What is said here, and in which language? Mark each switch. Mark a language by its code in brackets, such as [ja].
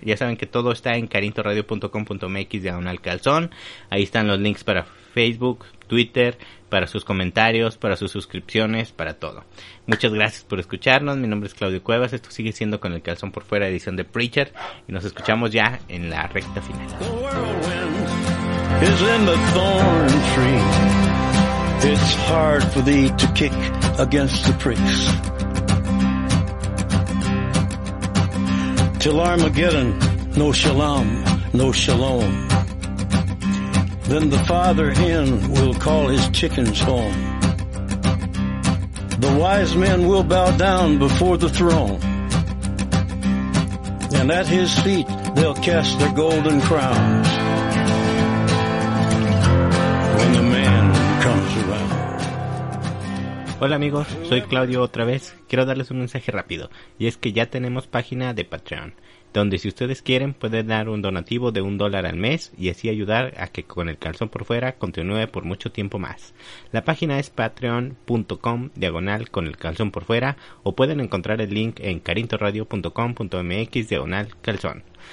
[es] Ya saben que todo está en carintoradio.com.mx/calzón, ahí están los links para Facebook, Twitter, para sus comentarios, para sus suscripciones, para todo. Muchas gracias por escucharnos. Mi nombre es Claudio Cuevas. Esto sigue siendo Con el Calzón por Fuera, edición de Preacher. Y nos escuchamos ya en la recta final. [en] The whirlwind is in the thorn tree. It's hard for thee to kick against the pricks. Till Armageddon, no shalom, no shalom. Then the father hen will call his chickens home. The wise men will bow down before the throne. And at his feet they'll cast their golden crowns. When the man comes. [es] Hola amigos, soy Claudio otra vez. Quiero darles un mensaje rápido. Y es que ya tenemos página de Patreon, donde si ustedes quieren pueden dar un donativo de $1 al mes y así ayudar a que Con el Calzón por Fuera continúe por mucho tiempo más. La página es patreon.com/con el calzón por fuera o pueden encontrar el link en carintoradio.com.mx/calzón.